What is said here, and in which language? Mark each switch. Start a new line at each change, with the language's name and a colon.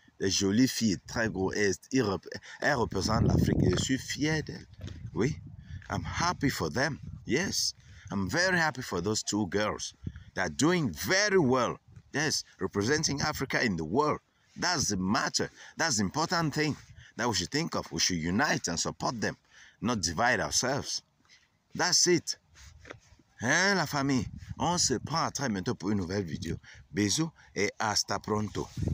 French: Des jolies filles, très gros. Elles représentent l'Afrique. Je suis fier d'elles. Oui.
English: I'm happy for them. Yes.
French: I'm very happy for those two girls. They are doing very well. Yes. Representing Africa in the world. That's the matter. That's the important thing that we should think of. We should unite and support them, not divide ourselves. That's it. Hein, la famille, on se prend à très bientôt pour une nouvelle vidéo. Bisous et
Spanish: hasta pronto.